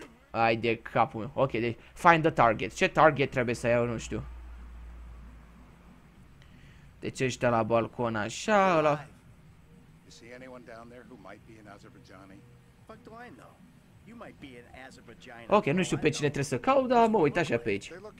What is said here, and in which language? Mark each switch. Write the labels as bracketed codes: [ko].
[ro] Ai de capul meu. Ok, de [en] find the target. [ro] Ce target trebuie să iau, nu știu. Deci ăștia la balcon așa, ăla. [en] You see anyone down there who might be in Azerbaijani? Fuck do I know? You might be in Azerbaijani. [ro] Ok, nu știu pe cine trebuie să caut, dar mă uit așa pe aici.